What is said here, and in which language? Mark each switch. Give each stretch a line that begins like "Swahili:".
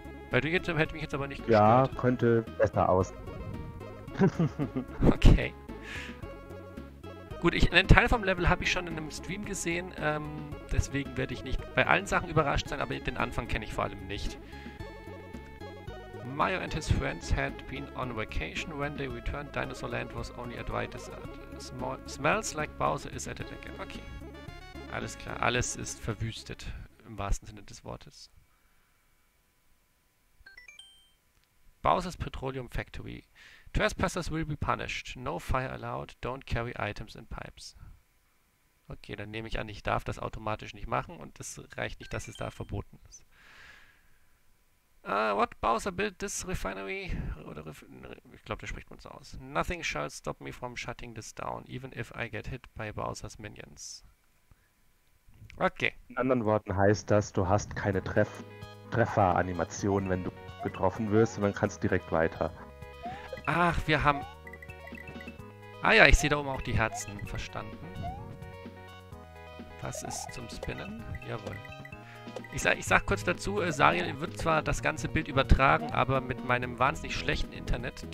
German: Weil du jetzt hätte mich jetzt aber nicht Ja, gestört. könnte besser aus. Okay. Gut, einen Teil vom Level habe ich schon in einem Stream gesehen, deswegen werde ich nicht bei allen Sachen überrascht sein, aber den Anfang kenne ich vor allem nicht.
English: Mario and his friends had been on vacation when they returned. Dinosaur Land was only a dry desert. Smells like Bowser is at it again.
German: Okay. Alles klar. Alles ist verwüstet, im wahrsten Sinne des Wortes.
English: Bowser's Petroleum Factory. Trespassers will be punished. No fire allowed. Don't carry items in pipes.
German: Okay, dann nehme ich an, ich darf das automatisch nicht machen und es reicht nicht, dass es da verboten ist.
English: What Bowser built this refinery?
German: Oder ich glaube, das spricht man so aus.
English: Nothing shall stop me from shutting this down, even if I get hit by Bowser's minions. Okay.
German: In anderen Worten heißt das, du hast keine Treffer-Animation, wenn du getroffen wirst, sondern kannst direkt weiter. Ach, wir haben. Ah ja, ich sehe da oben auch die Herzen. Verstanden. Was ist zum Spinnen? Jawohl. Ich sag kurz dazu, Sariel wird zwar das ganze Bild übertragen, aber mit meinem wahnsinnig schlechten Internet.